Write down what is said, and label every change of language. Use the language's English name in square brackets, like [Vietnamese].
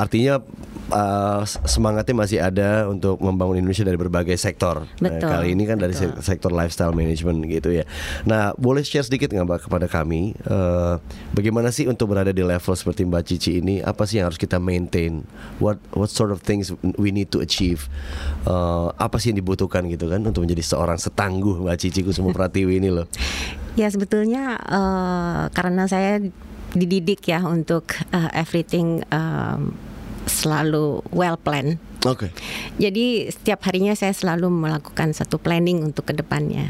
[Indonesian] Artinya semangatnya masih ada untuk membangun Indonesia dari berbagai sektor. Betul. Kali ini kan, betul, dari sektor lifestyle management gitu, ya. Nah, boleh share sedikit nggak, Mbak, kepada kami bagaimana sih untuk berada di level seperti Mbak Cici ini? Apa sih yang harus kita maintain? [English] What sort of things we need to achieve? [Indonesian] Apa sih yang dibutuhkan gitu kan untuk menjadi seorang setangguh Mbak Cici Kusumo Pratiwi ini, loh? Ya, sebetulnya karena saya dididik, ya, untuk [English] everything [Indonesian] selalu [English] well planned. Oke. Okay. [Indonesian] Jadi setiap harinya saya selalu melakukan satu planning untuk kedepannya.